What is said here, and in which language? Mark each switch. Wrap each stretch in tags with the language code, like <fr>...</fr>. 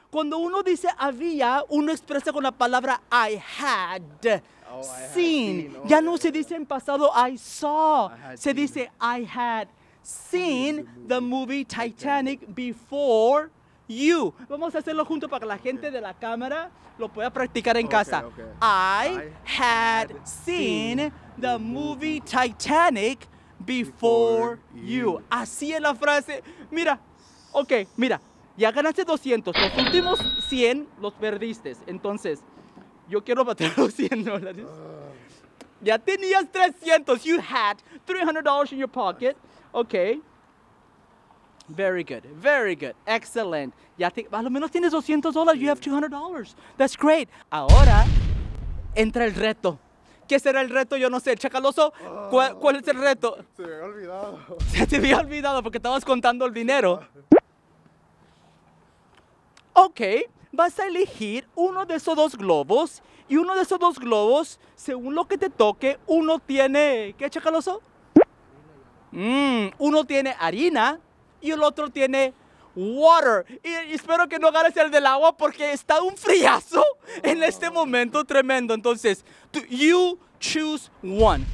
<es>Cuando uno dice había, uno expresa con la palabra I had. Seen. Ya no se dice en pasado I saw. Se dice</es> <en>I had seen the movie Titanic before you.</en> <es>Vamos a hacerlo junto para que la gente de la cámara lo pueda practicar en casa.</es> <en>Okay. I had seen the movie Titanic before you.</en> <es>Así es la frase. Mira, ok, mira, ya ganaste 200. Los últimos 100 los perdiste. Entonces, yo quiero bater los $100. Ya tenías 300.</es> <en>You had $300 in your pocket. Ok. Very good. Excellent.</en> <es>Ya te, a lo menos tienes $200.</es> <en>You have $200. That's great.</en> <es>Ahora, entra el reto. ¿Qué será el reto? Yo no sé. Chacaloso, ¿cuál es el reto? Se me había olvidado. Se te había olvidado porque estabas contando el dinero. Ok. Vas a elegir uno de esos dos globos. Y uno de esos dos globos, según lo que te toque, uno tiene... ¿Qué, Chacaloso? Uno tiene harina. Y el otro tiene water. Y espero que no agarres el del agua porque está un friazo en este momento tremendo. Entonces, you choose one.</es>